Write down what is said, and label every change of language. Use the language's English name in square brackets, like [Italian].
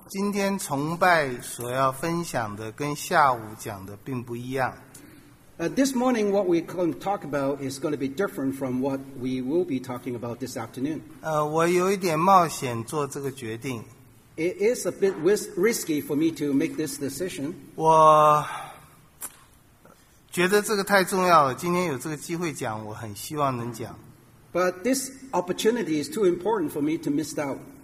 [Chinese] 今天崇拜所要分享的跟下午讲的并不一样。 [English] This morning, what we're going to talk about is going to be different from what we will be talking about this afternoon. [Chinese] 我有一点冒险做这个决定。 [English] It is a bit risky for me to make this decision. [Chinese] 我觉得这个太重要了，今天有这个机会讲，我很希望能讲。 [English] But this opportunity is too important for me to miss out.